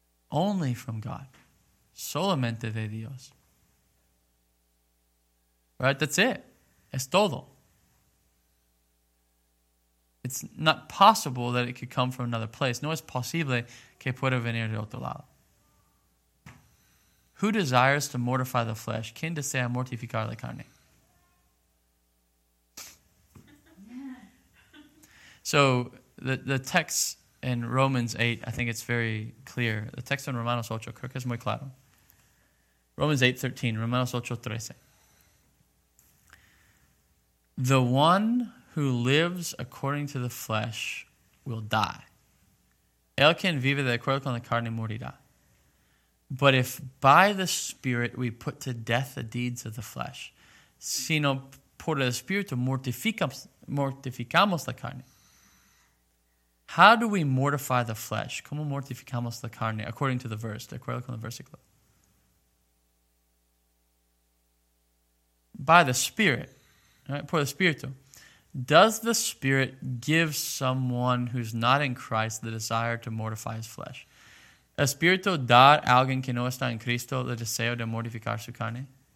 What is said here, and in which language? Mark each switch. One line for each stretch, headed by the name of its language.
English: Only from God.
Spanish: Solamente de Dios.
English: Right? That's it.
Spanish: Es todo.
English: It's not possible that it could come from another place.
Spanish: No es posible que pueda venir de otro lado.
English: Who desires to mortify the flesh?
Spanish: ¿Quién desea mortificar la carne?
English: So the text in Romans 8, I think it's very clear. The text in
Spanish: Romanos 8, creo que es muy claro. Romans 8:13, Romanos 8:13.
English: The one who lives according to the flesh will die.
Spanish: El quien vive de acuerdo con la carne morirá.
English: But if by the Spirit we put to death the deeds of the flesh,
Spanish: sino por el Espíritu mortificamos la carne.
English: How do we mortify the flesh?
Spanish: ¿Cómo mortificamos la carne?
English: According to the verse,
Spanish: de acuerdo con el versículo.
English: By the Spirit, right?
Spanish: Por el Espíritu.
English: Does the Spirit give someone who's not in Christ the desire to mortify his flesh?
Spanish: ¿El Espíritu da a alguien que no está en Cristo el deseo de mortificar su carne?